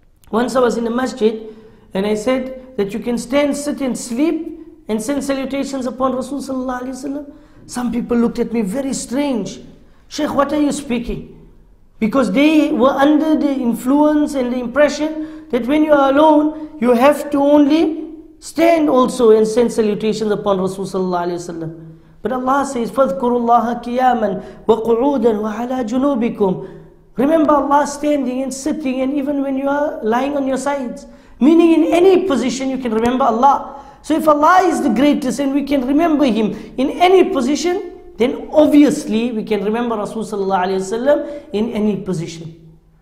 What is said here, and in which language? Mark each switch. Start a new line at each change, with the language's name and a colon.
English: Once I was in the masjid and I said that you can stand, sit and sleep and send salutations upon Rasul sallallahu alaihi wasallam. Some people looked at me very strange. Sheikh, what are you speaking? Because they were under the influence and the impression that when you are alone, you have to only stand also and send salutations upon Rasul sallallahu alaihi wasallam. But Allah says,
Arabic: فَذْكُرُوا اللَّهَ قِيَامًا وَقُعُودًا وَعَلَىٰ جُنُوبِكُمْ.
English: Remember Allah standing and sitting and even when you are lying on your sides. Meaning in any position you can remember Allah. So if Allah is the greatest and we can remember Him in any position, then obviously we can remember Rasul sallallahu alaihi wasallam in any position.